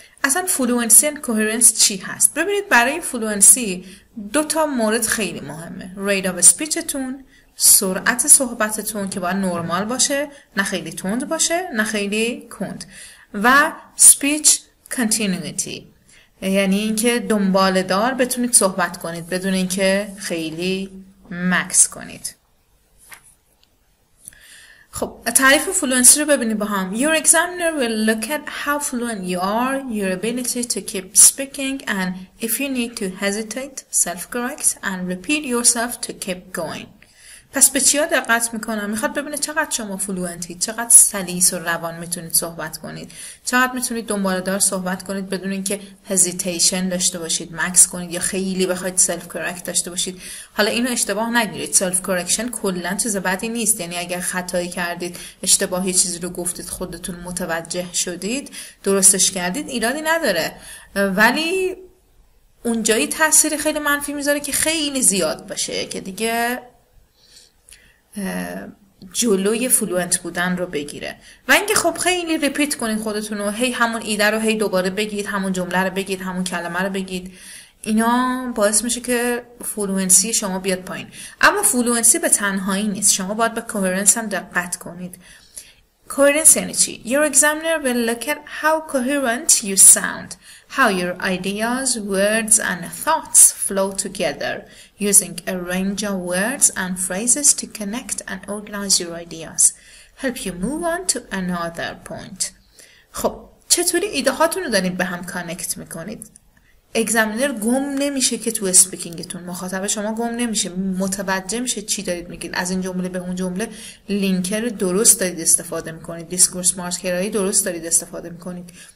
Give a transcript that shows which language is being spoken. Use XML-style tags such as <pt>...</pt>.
<fa>اصلا فلوئنسی اند کوهرنس چی هست؟ ببینید برای فلوئنسی دو تا مورد خیلی مهمه: ریت آف اسپیچتون، سرعت صحبتتون که باید نرمال باشه، نه خیلی تند باشه نه خیلی کند، و سپیچ کانتینیویتی، یعنی اینکه دنباله دار بتونید صحبت کنید بدون اینکه خیلی مکس کنید. خب تعریف فلوئنسی رو ببینید با هم.</fa> <en>Your examiner will look at how fluent you are, your ability to keep speaking, and if you need to hesitate, self-correct, and repeat yourself to keep going.</en> <fa>پس به چیا دقت میکنم؟ میخواد ببینه چقدر شما فلوئنتی، چقدر سلیس و روان میتونید صحبت کنید، چقدر میتونید دنباله دار صحبت کنید بدون اینکه هزیتیشن داشته باشید، مکس کنید، یا خیلی بخواید سلف کرکت داشته باشید. حالا اینو اشتباه نگیرید، سلف کرکشن کلا چیز بدی نیست، یعنی اگر خطایی کردید، اشتباهی چیزی رو گفتید، خودتون متوجه شدید، درستش کردید، ایرادی نداره، ولی اونجایی تاثیر خیلی منفی میذاره که خیلی زیاد باشه که دیگه جلوی فلوئنت بودن رو بگیره. و اینکه خب خیلی ریپیت کنین خودتون رو، هی همون ایده رو هی دوباره بگید، همون جمله رو بگید، همون کلمه رو بگید، اینا باعث میشه که فلوئنسی شما بیاد پایین. اما فلوئنسی به تنهایی نیست، شما باید به کوهرنس هم دقت کنید. کوهرنس یعنی چی؟</fa> <en>Your examiner will look at how coherent you sound, how your ideas, words and thoughts flow together, using a range of words and phrases to connect and organize your ideas, help you move on to another point.</en> <fa>خب چطوری ایده هاتون رو دارید به هم کانکت میکنید؟ اگزامینر گم نمیشه که تو اسپیکینگتون، مخاطب شما گم نمیشه، متوجه میشه چی دارید میگید، از این جمله به اون جمله لینکر درست دارید استفاده میکنید، دیسکورس مارکرایی درست دارید استفاده میکنید،</fa>